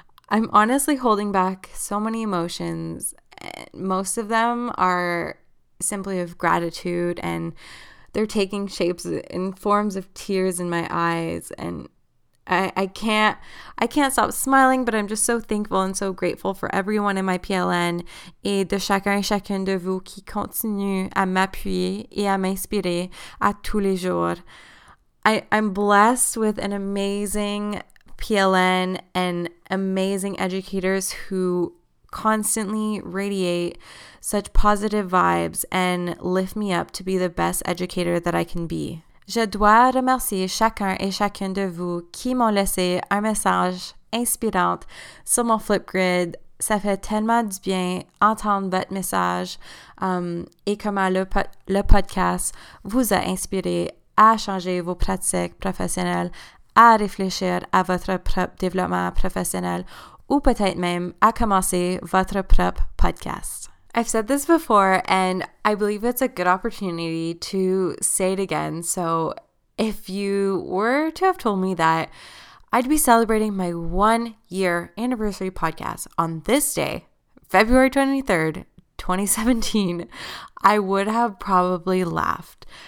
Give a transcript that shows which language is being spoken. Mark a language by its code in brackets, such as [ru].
[en] I'm honestly holding back so many emotions. Most of them are simply of gratitude, and they're taking shapes in forms of tears in my eyes, and I can't stop smiling, but I'm just so thankful and so grateful for everyone in my PLN et de chacun et chacune de vous qui continue à m'appuyer et à m'inspirer à tous les jours. I'm blessed with an amazing PLN and amazing educators who constantly radiate such positive vibes and lift me up to be the best educator that I can be. [fr] Je dois remercier chacun et chacune de vous qui m'ont laissé un message inspirant sur mon Flipgrid. Ça fait tellement du bien entendre votre message et comment le podcast vous a inspiré à changer vos pratiques professionnelles, à réfléchir à votre propre développement professionnel ou peut-être même à commencer votre propre podcast. [en] I've said this before, and I believe it's a good opportunity to say it again. So if you were to have told me that I'd be celebrating my 1 year anniversary podcast on this day, February 23rd, 2017, I would have probably laughed.